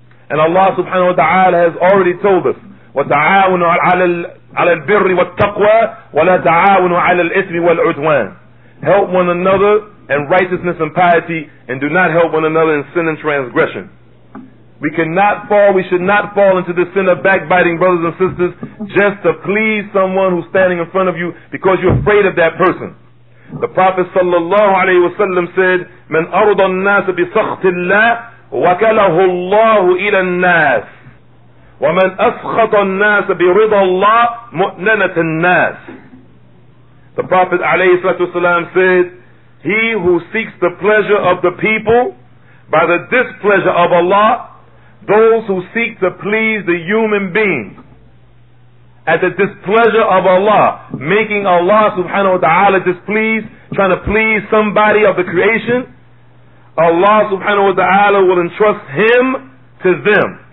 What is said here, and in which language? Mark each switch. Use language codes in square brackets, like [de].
[en] And Allah subhanahu wa ta'ala has already told us, [ar] وَتَعَاوَنُوا عَلَى الْبِرِّ وَالتَّقْوَى وَلَا تَعَاوَنُوا عَلَى الْإِثْمِ وَالْعُدْوَانِ. [en] Help one another in righteousness and piety, and do not help one another in sin and transgression. We should not fall into the sin of backbiting, brothers and sisters, just to please someone who's standing in front of you because you're afraid of that person. The Prophet sallallahu alayhi wa sallam said, [ar] من أرض الناس بسخط الله وكله الله إلى الناس ومن أسخط الناس برضا الله مؤننة الناس. [en] The Prophet ﷺ said, he who seeks the pleasure of the people by the displeasure of Allah, those who seek to please the human beings at the displeasure of Allah, making Allah subhanahu wa ta'ala displeased, trying to please somebody of the creation, Allah subhanahu wa ta'ala will entrust him to them.